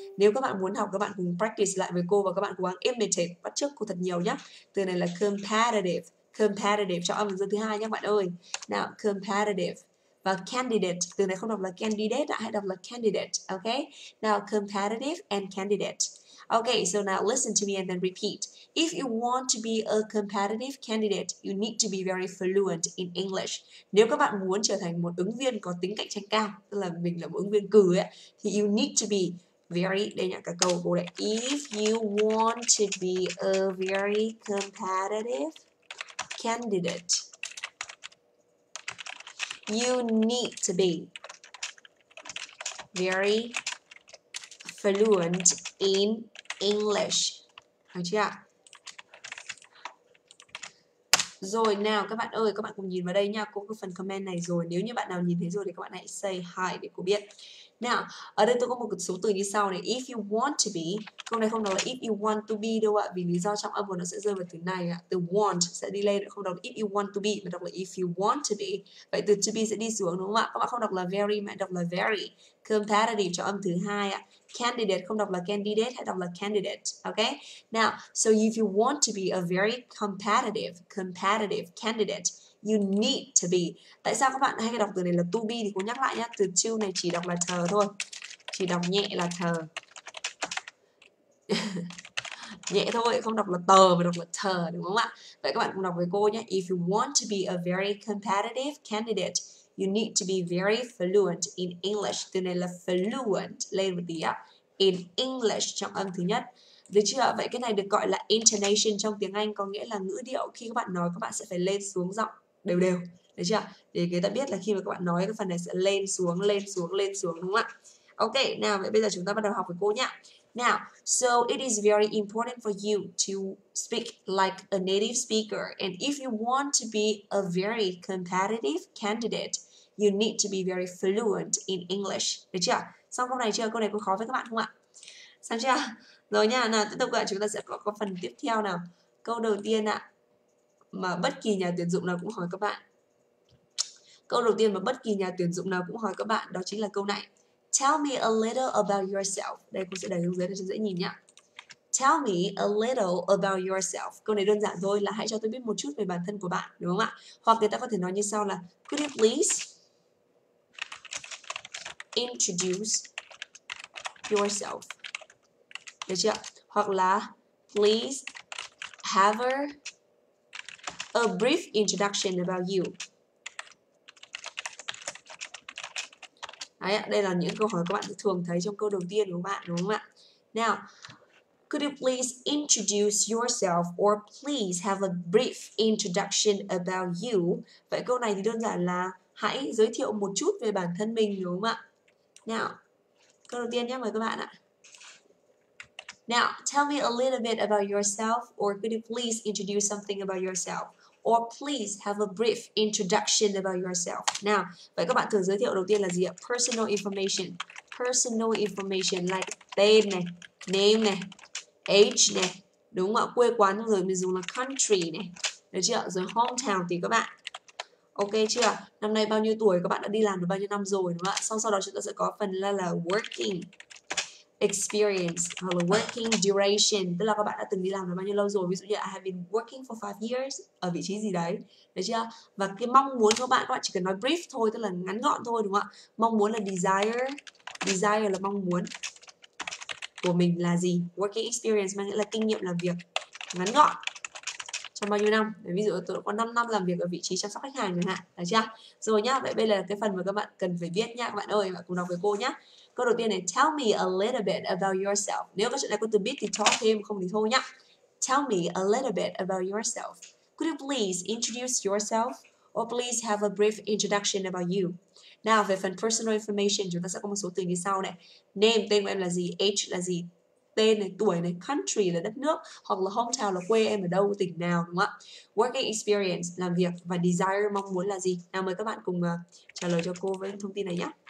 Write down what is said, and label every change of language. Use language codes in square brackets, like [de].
[vi] Nếu các bạn muốn học, các bạn cùng practice lại với cô và các bạn cố gắng imitate, bắt chước cô thật nhiều nhá. Từ này là competitive. Competitive, chọn âm từ thứ hai nhá các bạn ơi. Nào, competitive. Và candidate, từ này không đọc là candidate, hãy đọc là candidate, ok? [en] Now, competitive and candidate. Okay, so now listen to me and then repeat. If you want to be a competitive candidate, you need to be very fluent in English. [vi] Nếu các bạn muốn trở thành một ứng viên có tính cạnh tranh cao, tức là mình là một ứng viên cừ ấy, thì you need to be very, đây nhận cả câu của cô đấy. [en] If you want to be a very competitive candidate, you need to be very fluent in English. [vi] Được chưa? Rồi nào các bạn ơi, các bạn cùng nhìn vào đây nha. Cô có phần comment này rồi. Nếu như bạn nào nhìn thấy rồi thì các bạn hãy say hi để cô biết. Nào, ở đây tôi có một số từ như sau này. If you want to be, câu này không đọc là if you want to be đâu ạ, vì lý do trong âm của nó sẽ rơi vào từ này ạ. Từ want sẽ đi lên, không đọc là if you want to be mà đọc là if you want to be. Vậy từ to be sẽ đi xuống đúng không ạ? Các bạn không đọc là very mà đọc là very. Competitive cho âm thứ hai ạ. Candidate không đọc là candidate hay đọc là candidate. [en] Okay. Now, so if you want to be a very competitive candidate, you need to be. [vi] Tại sao các bạn hay đọc từ này là to be thì cô nhắc lại nhá. Từ to này chỉ đọc là thờ thôi. Chỉ đọc nhẹ là thờ. nhẹ thôi, không đọc là tờ mà đọc là tờ, đúng không ạ? Vậy các bạn cùng đọc với cô nhé. [en] If you want to be a very competitive candidate, you need to be very fluent in English. [vi] Từ này là fluent, lên một tí ạ. In English, trọng âm thứ nhất. Được chưa? Vậy cái này được gọi là intonation trong tiếng Anh, có nghĩa là ngữ điệu khi các bạn nói các bạn sẽ phải lên xuống giọng đều đều. Được chưa? Để người ta biết là khi mà các bạn nói cái phần này sẽ lên xuống, lên xuống, lên xuống, đúng không ạ? Ok, nào vậy bây giờ chúng ta bắt đầu học với cô nhé. [en] Now, so it is very important for you to speak like a native speaker. And if you want to be a very competitive candidate, you need to be very fluent in English. [vi] Được chưa? Xong câu này chưa? Câu này có khó với các bạn không ạ? Xong chưa? Rồi nha, nào tiếp tục ạ, chúng ta sẽ có phần tiếp theo nào. Câu đầu tiên ạ, mà bất kỳ nhà tuyển dụng nào cũng hỏi các bạn. Câu đầu tiên mà bất kỳ nhà tuyển dụng nào cũng hỏi các bạn, đó chính là câu này. Tell me a little about yourself. Đây, cô sẽ đẩy xuống dưới để cho dễ nhìn nhá. Tell me a little about yourself. Câu này đơn giản thôi, là hãy cho tôi biết một chút về bản thân của bạn, đúng không ạ? Hoặc người ta có thể nói như sau là could you please introduce yourself. Được chưa? [en] Hoặc là please have a brief introduction about you. [vi] Đấy, đây là những câu hỏi các bạn thường thấy trong câu đầu tiên của bạn, đúng không ạ? [en] Now, could you please introduce yourself or please have a brief introduction about you? [vi] Vậy câu này thì đơn giản là hãy giới thiệu một chút về bản thân mình, đúng không ạ? Now, câu đầu tiên nhé, mời các bạn ạ. [en] Now, tell me a little bit about yourself or could you please introduce something about yourself? Or please have a brief introduction about yourself. [vi] Now, vậy các bạn thử giới thiệu đầu tiên là gì ạ? Personal information. Personal information like tên này, name này, age này, đúng không ạ? Quê quán rồi mình dùng là country này, được chưa? Rồi hometown thì các bạn. Ok chưa? Năm nay bao nhiêu tuổi, các bạn đã đi làm được bao nhiêu năm rồi, đúng không ạ? Sau đó chúng ta sẽ có phần là working experience hoặc là working duration, tức là các bạn đã từng đi làm được bao nhiêu lâu rồi. Ví dụ như I have been working for 5 years ở vị trí gì đấy, được chưa? Và cái mong muốn của bạn, các bạn chỉ cần nói brief thôi, tức là ngắn gọn thôi, đúng không ạ? Mong muốn là desire. Desire là mong muốn của mình là gì? Working experience mang nghĩa là kinh nghiệm làm việc ngắn gọn trong bao nhiêu năm. Ví dụ tôi đã có 5 năm làm việc ở vị trí chăm sóc khách hàng chẳng hạn, được chưa? Rồi nhá, vậy bây giờ là cái phần mà các bạn cần phải viết nhá, các bạn ơi, bạn cùng đọc với cô nhá. Câu đầu tiên này, tell me a little bit about yourself. Nếu có chuyện này có từ biết thì talk thêm, không thì thôi nhá. [en] Tell me a little bit about yourself. Could you please introduce yourself or please have a brief introduction about you? [vi] Now, về phần personal information, chúng ta sẽ có một số từ như sau này. Name, tên của em là gì? Age là gì? Tên này, tuổi này, country là đất nước, hoặc là hometown là quê em ở đâu, tỉnh nào, đúng không ạ? Working experience, làm việc, và desire, mong muốn là gì? Nào mời các bạn cùng trả lời cho cô với thông tin này nhé.